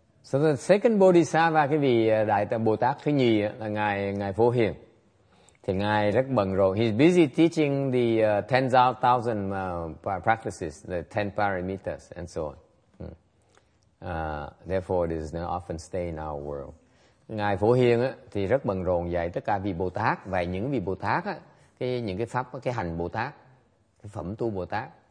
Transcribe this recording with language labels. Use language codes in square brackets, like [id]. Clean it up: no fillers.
[en] So the second Bodhisattva, [vi] cái vị đại tâm Bồ Tát thứ nhì là ngài Phổ Hiền. Thì ngài rất bận rộn. [en] He's busy teaching the 10,000 practices, the 10 parameters and so on. Therefore it is not often stay in our world. [vi] Ngài Phổ Hiền á thì rất bận rộn dạy tất cả vị Bồ Tát và những vị Bồ Tát á, những cái pháp, cái hành Bồ Tát, cái phẩm tu Bồ Tát.